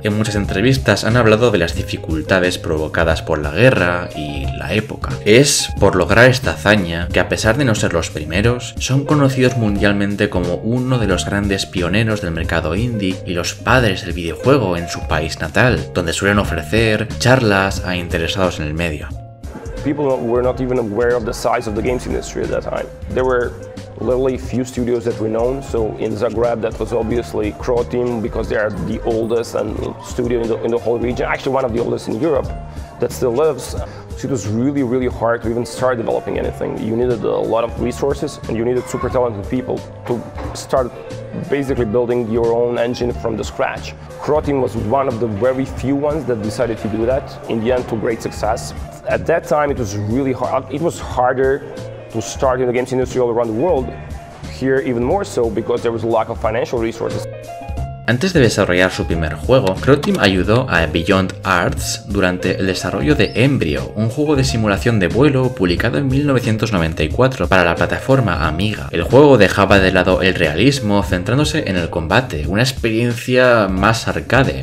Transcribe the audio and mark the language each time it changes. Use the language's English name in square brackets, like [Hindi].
[Spanish] En muchas entrevistas han hablado de las dificultades provocadas por la guerra y la época. Es por lograr esta hazaña que, a pesar de no ser los primeros, son conocidos mundialmente como uno de los grandes pioneros del mercado indie y los padres del videojuego en su país natal, donde suelen ofrecer charlas a interesados en el medio. [English] People were not even aware of the size of the games industry at that time. There were literally few studios that were known. So in Zagreb, that was obviously Croteam because they are the oldest and studio in the whole region. Actually, one of the oldest in Europe that still lives. So it was really, really hard to even start developing anything. You needed a lot of resources and you needed super talented people to start basically building your own engine from the scratch. Croteam was one of the very few ones that decided to do that, in the end to great success. At that time it was really hard. It was harder to start in the games industry all around the world. Here even more so because there was a lack of financial resources. [Spanish] Antes de desarrollar su primer juego, Croteam ayudó a Beyond Arts durante el desarrollo de Embryo, un juego de simulación de vuelo publicado en 1994 para la plataforma Amiga. El juego dejaba de lado el realismo, centrándose en el combate, una experiencia más arcade.